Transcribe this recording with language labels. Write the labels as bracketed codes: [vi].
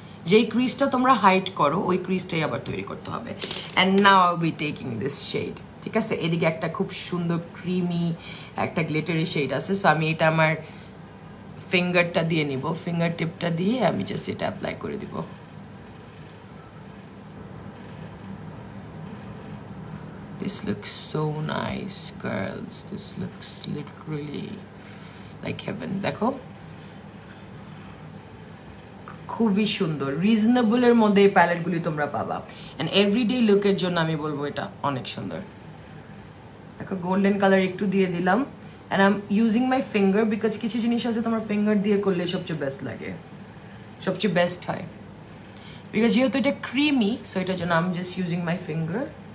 [bn] যেই ক্রিজটা তোমরা হাইড করো ওই ক্রিজটাই আবার তৈরি করতে হবে। [en] and now I be taking this shade, [bn] ঠিক আছে? এদিকে একটা খুব সুন্দর ক্রিমি একটা গ্লিটারি শেড আছে, সো আমি এটা আমার ফিঙ্গারটা দিয়ে নিব। ফিঙ্গার টিপটা দিয়ে আমি জাস্ট এটা অ্যাপ্লাই করে দিব। [en] This looks so nice, girls. This looks literally like heaven. [bn] দেখো খুবই সুন্দর, রিজনেবল এর মধ্যে এই প্যালেট গুলি তোমরা পাবা। এন্ড এভরিডে লুক এর জন্য আমি বলবো এটা অনেক সুন্দর। দেখো গোল্ডেন কালার একটু দিয়ে দিলাম, [en] and I am using my finger, [bn] because কিছু জিনিস আছে তোমার ফিঙ্গার দিয়ে করলে সবচেয়ে বেস্ট লাগে, সবচেয়ে বেস্ট হয়, বিকজ যেহেতু এটা ক্রিমি সো এটার জন্য আমি [en] Just using my finger.